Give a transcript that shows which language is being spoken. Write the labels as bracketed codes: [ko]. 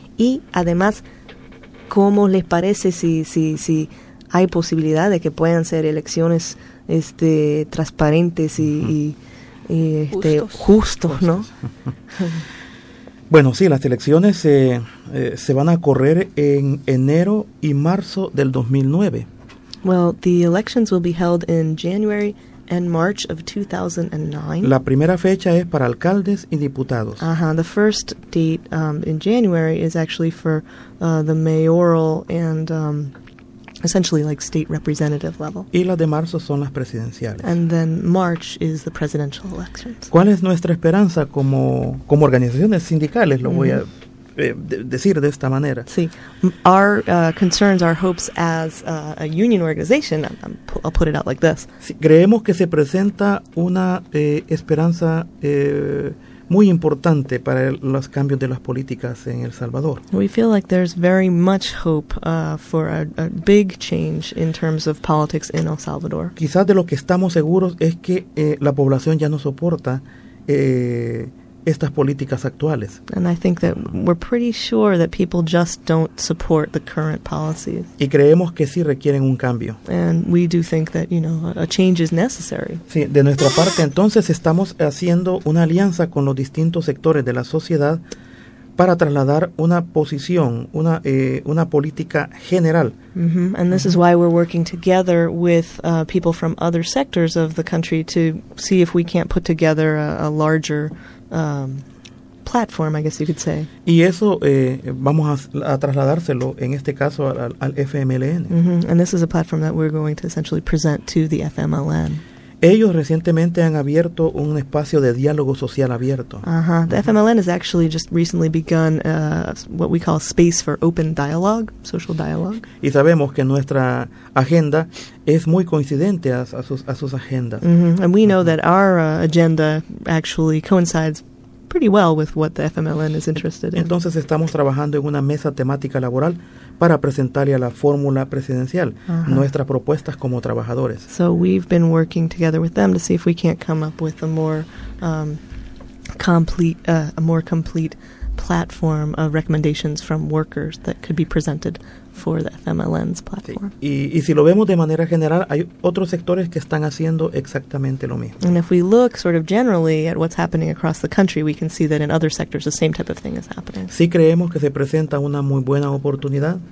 [es] Y además, ¿cómo les parece si hay posibilidad de que puedan ser elecciones transparentes y justos, ¿no? Bueno, sí, las elecciones se van a correr en enero y marzo del 2009. [en] Well, the elections will be held in January and March of 2009. [es] La primera fecha es para alcaldes y diputados. [en] The first date in January is actually for the mayoral and essentially like state representative level. [es] Y las de marzo son las presidenciales. [en] And then March is the presidential elections. [es] ¿Cuál es nuestra esperanza como organizaciones sindicales? Lo voy a decir de esta manera. Sí. [en] Our concerns, our hopes as a union organization, I'll put it out like this. [es] Sí, creemos que se presenta una esperanza muy importante para los cambios de las políticas en El Salvador. [en] We feel like there's very much hope for a big change in terms of politics in El Salvador. [es] Quizás de lo que estamos seguros es que la población ya no soporta estas políticas actuales. [en] And I think that we're pretty sure that people just don't support the current policies. [es] Y creemos que sí requieren un cambio. [en] And we do think that, you know, a change is necessary. [es] Sí, de nuestra parte, entonces, estamos haciendo una alianza con los distintos sectores de la sociedad para trasladar una posición, una política general. Mm-hmm. [en] And this is why we're working together with people from other sectors of the country to see if we can't put together a larger platform, I guess you could say. [es] Y eso vamos a trasladárselo en este caso al FMLN. Mm-hmm. [en] And this is a platform that we're going to essentially present to the FMLN. [es] Ellos recientemente han abierto un espacio de diálogo social abierto. Uh-huh. [en] The FMLN has actually just recently begun what we call space for open dialogue, social dialogue. [es] Y sabemos que nuestra agenda es muy coincidente a sus agendas. Mm-hmm. [en] And we know that our agenda actually coincides pretty well with what the FMLN is interested in. [es] Entonces estamos trabajando en una mesa temática laboral para presentarle a la fórmula presidencial nuestras propuestas como trabajadores. [en] So we've been working together with them to see if we can't come up with a more complete platform of recommendations from workers that could be presented for the FMLN's platform. [es] Sí. Y si lo vemos de manera general, hay otros sectores que están haciendo exactamente lo mismo. [en] And if we look sort of generally at what's happening across the country, we can see that in other sectors the same type of thing is happening. [es] Sí, creemos que se presenta una muy buena oportunidad.